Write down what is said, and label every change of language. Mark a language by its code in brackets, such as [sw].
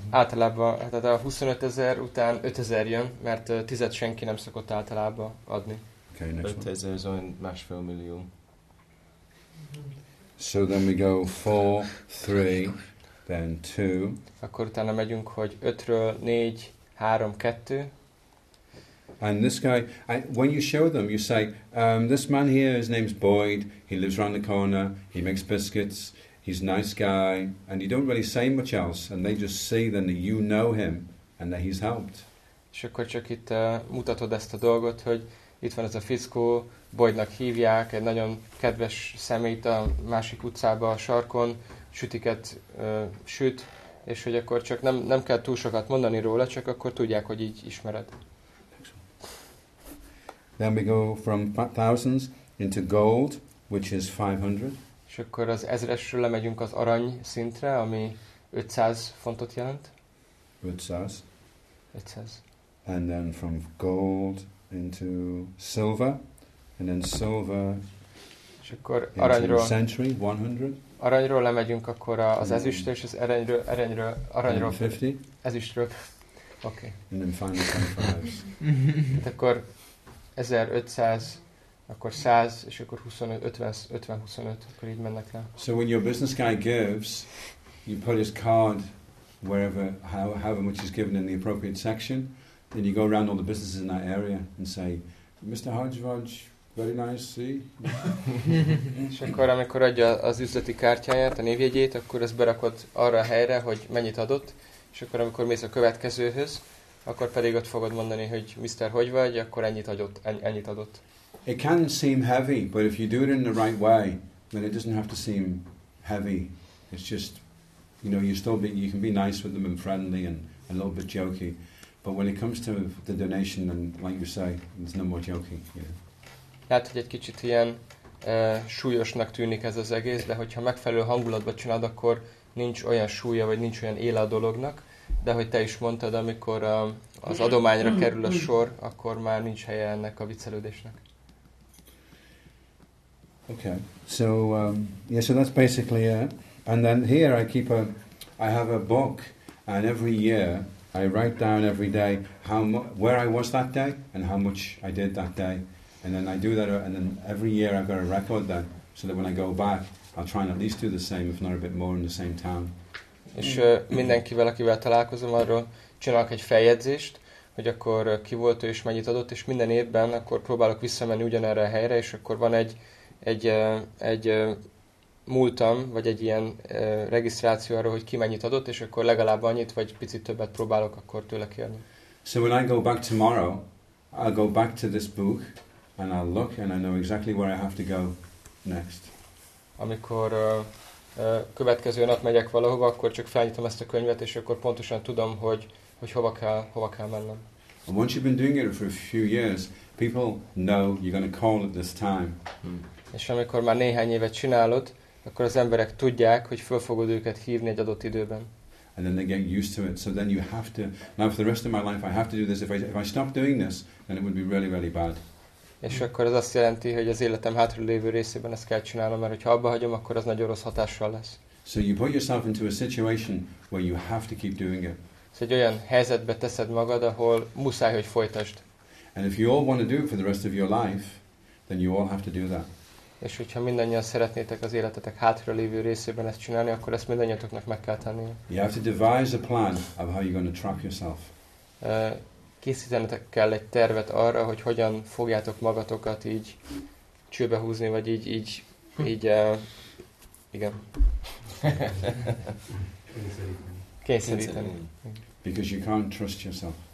[hu] Általában, tehát a 25,000 után 5,000 jön, mert tizet senki nem szokott általában adni. [en] Okay, [hu] 5,000 is olyan másfél millió. [en] So then we go 4, 3, then 2. [hu] Akkor utána megyünk, hogy 5-ről 4, 3, 2. [en] And this guy, when you show them, you say, this man here, his name's Boyd, he lives around the corner, he makes biscuits, he's a nice guy, and you don't really say much else, and they just see then that you know him, and that he's helped. [hu] És akkor csak itt mutatod ezt a dolgot, hogy itt van ez a fickó, Boydnak hívják, egy nagyon kedves szemét a másik utcába, a sarkon, sütiket süt, és hogy akkor csak nem kell túl sokat mondani róla, csak akkor tudják, hogy így ismered. [en] Then we go from thousands into gold, which is 500. [hu] És akkor az ezresről lemegyünk az arany szintre, ami 500 fontot jelent. 500. 500. [en] And then from gold into silver, and then silver. [hu] És akkor aranyról. [en] Into century, 100. [hu] Aranyról lemegyünk akkor az ezüstről, és az aranyról. Aranyról. 50. Ezüstről. Oké. [en] And then finally 25. [hu] Hát akkor 1500. Akkor 100, és akkor 25, akkor így mennek le. [en] So when your business guy gives, you put his card wherever, however much is given in the appropriate section, then you go around all the businesses in that area and say, Mr. Hodgevodg, very nice, see? [hu] És akkor, amikor adja az üzleti kártyáját, a névjegyét, akkor ezt berakod arra a helyre, hogy mennyit adott, és akkor, amikor mész a következőhöz, akkor pedig ott fogod mondani, hogy Mr. hogy vagy, akkor ennyit adott. [en] It can seem heavy, but if you do it in the right way, then it doesn't have to seem heavy. It's just, you know, you can be nice with them and friendly and a little bit jokey. But when it comes to the donation, then, like you say, there's no more joking. [hu] Lehet, hogy egy kicsit ilyen súlyosnak tűnik ez az egész, de hogyha megfelelő hangulatba csinálod, akkor nincs olyan súlya, vagy nincs olyan éle a dolognak. De ahogy te is mondtad, amikor az adományra kerül a sor, akkor már nincs helye ennek a viccelődésnek. [en] Okay, so yeah, so that's basically it. And then here I have a book, and every year I write down every day where I was that day and how much I did that day. And then I do that, and then every year I've got a record that, so that when I go back, I'll try and at least do the same, if not a bit more, in the same town. [hu] És mindenkivel, akivel találkozom, arról csinálok egy feljegyzést, hogy akkor ki volt ő és mennyit adott, és minden évben akkor próbálok visszamenni ugyanerre a helyre, és akkor van egy múltam, vagy egy ilyen regisztráció arról, hogy ki mennyit adott, és akkor legalább annyit, vagy picit többet próbálok akkor tőle kérni. [en] So when I go back tomorrow, I'll go back to this book, and I'll look, and I know exactly where I have to go next. [hu] Amikor következő nap megyek valahova, akkor csak felnyitom ezt a könyvet, és akkor pontosan tudom, hogy hova kell mennem. [en] And once you've been doing it for a few years, people know you're going to call at this time. [hu] És amikor már néhány évet csinálod, akkor az emberek tudják, hogy föl fogod őket hívni egy adott időben. [en] And then they get used to it. So then you have to, now for the rest of my life I have to do this. If I stop doing this, then it would be really, really bad. [hu] És akkor ez azt jelenti, hogy az életem hátra lévő részében ezt kell csinálnom, mert hogyha abba hagyom, akkor az nagyon rossz hatással lesz. [en] So you put yourself into a situation where you have to keep doing it. [hu] Szóval egy olyan helyzetbe teszed magad, ahol muszáj, hogy folytasd. [en] And if you all want to do it for the rest of your life, then you all have to do that. [hu] És hogyha mindannyian szeretnétek az életetek hátra lévő részében ezt csinálni, akkor ezt mindannyiatoknak meg kell tenni. [en] You have to devise a plan of how you're going to trap yourself. [hu] Készítenetek kell egy tervet arra, hogy hogyan fogjátok magatokat így csőbe húzni, vagy így igen. Kényszeríteni. [en] Because you can't trust yourself.